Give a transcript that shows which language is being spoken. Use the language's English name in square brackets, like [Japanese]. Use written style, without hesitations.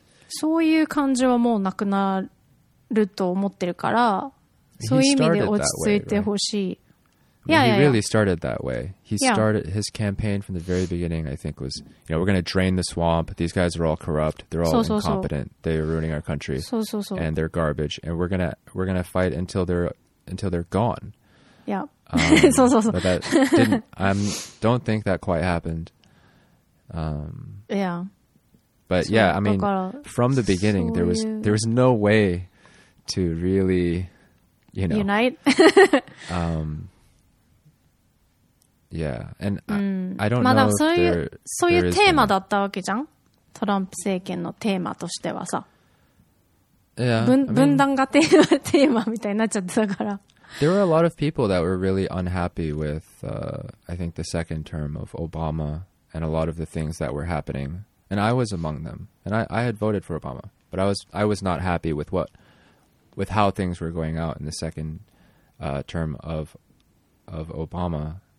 [Japanese] そういう感じはもうなくなると思ってるから、そういう意味で落ち着いてほしい。 [English] He really started that way. He started his campaign from the very beginning, I think, was, you know, we're going to drain the swamp. These guys are all corrupt. They're all incompetent. They're ruining our country. And they're garbage. And we're gonna fight until they're gone. Yeah. But that don't think that quite happened. Yeah. But yeah, I mean, from the beginning, there was no way to really, you know, unite. yeah, and I don't know. [Japanese] そういうテーマだったわけじゃん。トランプ政権のテーマとしてはさ、分断がテーマみたいになっちゃってたから。 [English] There were a lot of people that were really unhappy with, I think, the second term of Obama and a lot of the things that were happening. And I was among them. And I had voted for Obama. But I was not happy with how things were going out in the second term of Obama.